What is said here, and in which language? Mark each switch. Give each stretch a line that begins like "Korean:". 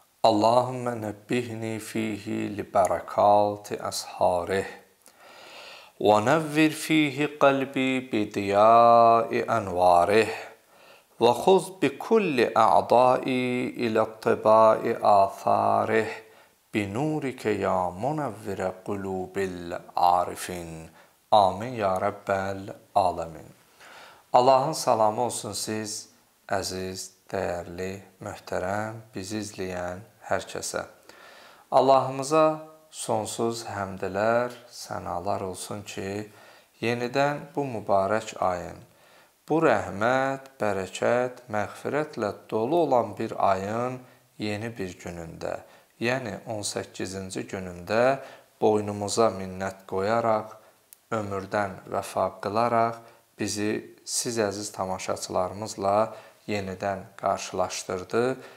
Arabic: اللهم نبهني فيه لبركات أسحاره ونور فيه قلبي بضياء أنواره وخذ بكل أعضائي إلى الطباء آثاره بنورك يا منور قلوب العارفين آمين يا رب العالمين.
Azerbaijani: Allah'ın salamı olsun siz aziz, değerli, mühterem, bizi izleyen hər kəsə. Allahımıza sonsuz həmdlər, sənalar olsun ki, yenidən bu mübarək ayın, bu rəhmət, bərəkət, məğfirətlə dolu olan bir ayın yeni bir günündə, yəni 18-ci günündə boynumuza minnət qoyaraq, ömürdən vəfa qılaraq bizi siz əziz tamaşaçılarımızla yenidən qarşılaşdırdı.